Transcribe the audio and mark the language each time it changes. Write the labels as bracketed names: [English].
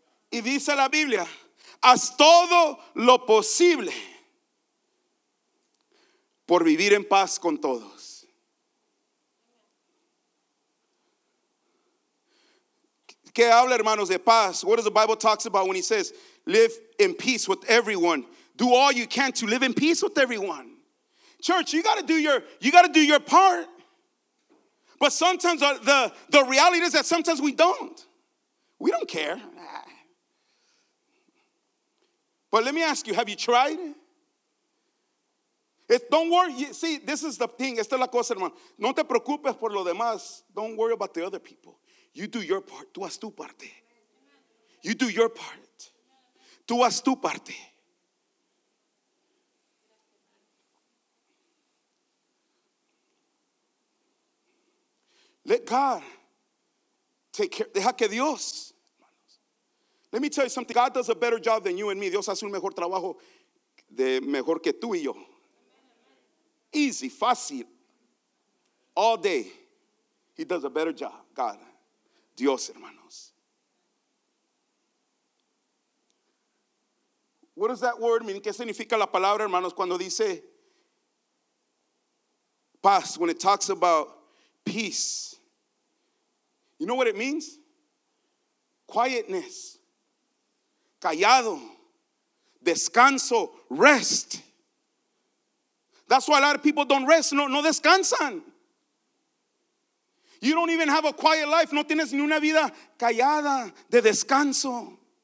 [Spanish] Y dice la Biblia, haz todo lo posible por vivir en paz con todos. ¿Qué habla, hermanos, de paz? [English] What does the Bible talks about when he says, live in peace with everyone? Do all you can to live in peace with everyone. Church, you got to do your part. But sometimes the reality is that sometimes we don't. We don't care. But let me ask you, have you tried? Don't worry. See, this is the thing. [Spanish] Esta es la cosa, hermano. No te preocupes por lo demás. [English] Don't worry about the other people. You do your part. [Spanish] Tú haz tu parte. [English] You do your part. [Spanish] Tú haz tu parte. [English] Let God take care. [Spanish] Deja que Dios. [English] Let me tell you something. God does a better job than you and me. [Spanish] Dios hace un mejor trabajo de mejor que tú y yo. [English] Easy, fácil. All day. He does a better job. God. [Spanish] Dios, hermanos. [English] What does that word mean? [Spanish] ¿Qué significa la palabra, hermanos, cuando dice paz? [English] When it talks about peace. You know what it means? Quietness. [Spanish] Callado. Descanso. [English] Rest. That's why a lot of people don't rest. [Spanish] No descansan. [English] You don't even have a quiet life. [Spanish] No tienes ni una vida callada de descanso.